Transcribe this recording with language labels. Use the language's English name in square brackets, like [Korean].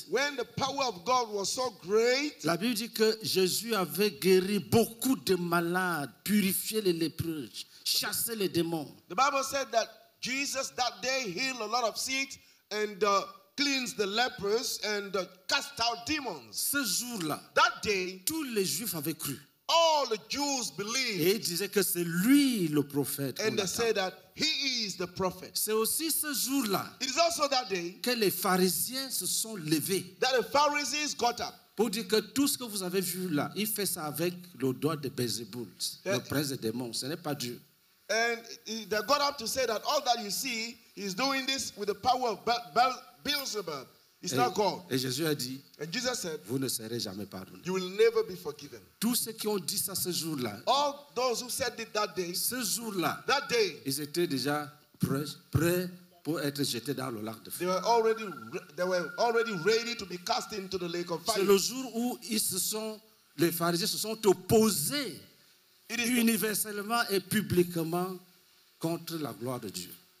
[English] When the power of God was so great, [French] la Bible dit que Jésus avait guéri beaucoup de malades, purifié les lépreux, chassé les démons. [English] The Bible said that Jesus that day healed a lot of sick and cleansed the lepers and cast out demons. [French] Ce jour-là, [English] that day, [French] tous les Juifs avaient cru. [English] All the Jews believed. [French] Et ils disaient que c'est lui le prophète. [English] And they said that he is the prophet. [French] C'est aussi ce jour-là. [English] It is also that day [French] que les pharisiens se sont levés. [English] That the Pharisees got up. [French] Pour dire que tout ce que vous avez vu là, il fait ça avec le doigt de Beelzebul, le prince des démons. Ce n'est pas Dieu. [English] And they got up to say that all that you see, he's doing this with the power of Beelzebub. It's [French] et, [English] not God. [French] Et Jésus a dit, [English] and Jesus said, [French] vous ne serez jamais pardonné. [English] You will never be forgiven. [French] Tous ceux qui ont dit ça ce jour-là, [English] all those who said it that day, [French] ce jour-là, [English] that day, [French] ils étaient déjà prêts pour être jetés dans le lac de feu. [English] They were already ready to be cast into the lake of fire. [French] C'est le jour où les pharisiens se sont opposés universellement et publiquement contre la gloire de Dieu.